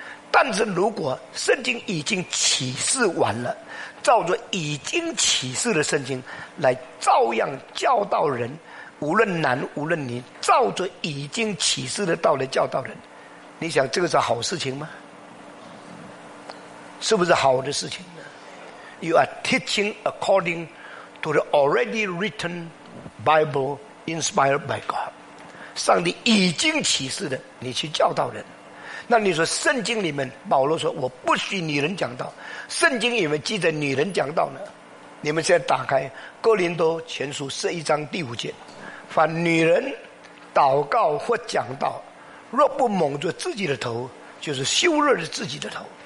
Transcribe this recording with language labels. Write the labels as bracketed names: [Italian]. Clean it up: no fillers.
[Chinese] 但是如果圣经已经启示完了，照着已经启示的圣经来照样教导人，无论男无论女，照着已经启示的道来教导人，你想这个是好事情吗？是不是好的事情呢？ [English] You are teaching according to the already written Bible inspired by God， [Chinese] 上帝已经启示的，你去教导人。那你说圣经里面保罗说我不许女人讲道，圣经里面记载女人讲道呢？你们现在打开哥林多前书十一章第五节，凡女人祷告或讲道，若不蒙着自己的头，就是羞辱了自己的头。